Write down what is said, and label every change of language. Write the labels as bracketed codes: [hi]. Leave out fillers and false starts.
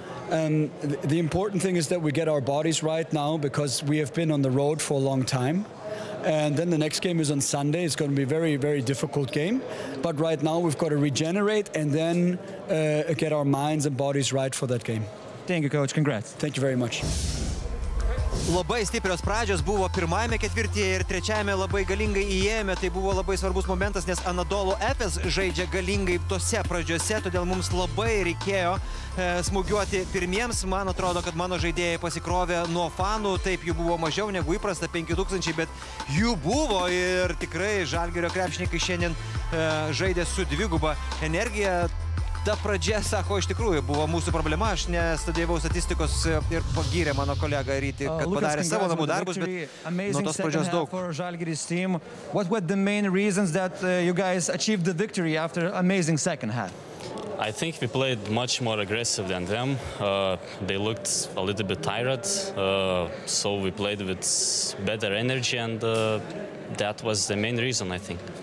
[en] The important thing is that we get our bodies right now because we have been on the road for a long time. And then the next game is on Sunday. It's going to be a very, very difficult game. But right now we've got to regenerate and then get our minds and bodies right for that game. Thank you, coach. Congrats. Thank you very much. [lt] Labai stiprios pradžios buvo pirmajame ketvirtyje ir trečiajame labai galingai įėjome. Tai buvo labai svarbus momentas, nes Anadolu Efes žaidžia galingai tose pradžiose, todėl mums labai reikėjo smūgiuoti pirmiems. Man atrodo, kad mano žaidėjai pasikrovė nuo fanų, taip jų buvo mažiau negu įprasta 5000, bet jų buvo ir tikrai Žalgirio krepšininkai šiandien žaidė su dviguba energija. Ta pradžia, sako, iš tikrųjų buvo mūsų problema, aš nestudijavau statistikos ir pagyrė mano kolegą Rytį, kad padarė savo namų darbus, bet nuo tos pradžios daug. [en] For Žalgiris team, what were the main reasons that you guys achieved the victory after amazing second half? I think we played much more aggressive than them. They looked a little bit tired, so we played with better energy and that was the main reason, I think.